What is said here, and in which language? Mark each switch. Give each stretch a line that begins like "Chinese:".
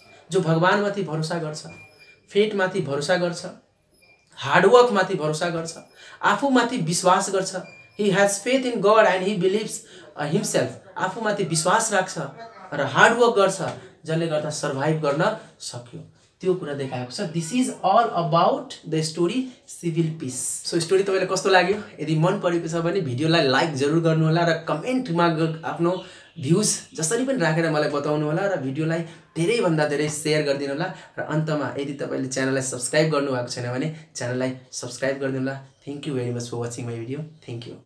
Nepali: जो भगवान्माथि भरोसा गर्छ, फेटमाथि भरोसा गर्छ, हार्डवर्कमाथि भरोसा गर्छ, आफूमाथि विश्वास गर्छ,
English: he has faith in God and he believes himself,
Nepali: आफूमाथि विश्वास राख्छ र हार्डवर्क गर्छ जसले गर्दा सर्भाइभ गर्न सक्यो, त्यो कुरा देखाएको छ।
English: This is all about the story civil peace.
Nepali: So story तपाईँलाई कस्तो लाग्यो, यदि मन परेको छ भने भिडियोलाई लाइक जरुर गर्नुहोला र कमेन्टमा आफ्नो भ्युज जसरी पनि राखेर मलाई बताउनु होला र भिडियोलाई धेरैभन्दा धेरै सेयर गरिदिनु होला र अन्तमा यदि तपाईँले च्यानललाई सब्सक्राइब गर्नुभएको छैन भने च्यानललाई सब्सक्राइब गरिदिनु होला
English: thank you very much for watching my video thank you